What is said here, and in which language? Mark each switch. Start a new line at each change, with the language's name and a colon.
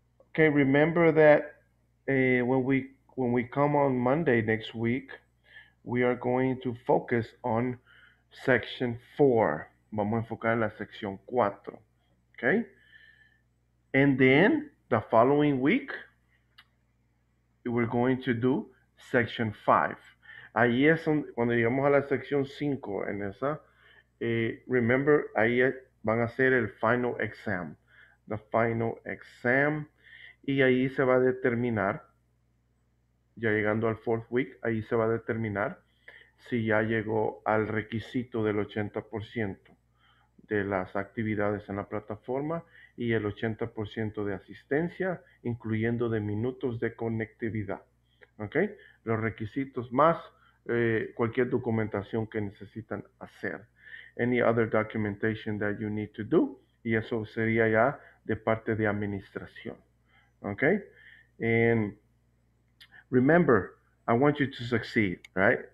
English: Okay, remember that when we come on Monday next week, we are going to focus on section 4.
Spanish: Vamos a enfocar en la sección 4.
English: Okay? And then the following week, we're going to do section 5.
Spanish: Ahí es cuando llegamos a la sección 5, en esa, remember, ahí van a hacer el final exam.
English: The final exam.
Spanish: Y ahí se va a determinar, ya llegando al fourth week, ahí se va a determinar si ya llegó al requisito del 80% de las actividades en la plataforma y el 80% de asistencia, incluyendo de minutos de conectividad. ¿Ok? Los requisitos más cualquier documentación que necesitan hacer.
English: Any other documentation that you need to do.
Spanish: Y eso sería ya de parte de administración.
English: Okay, and remember, I want you to succeed, right?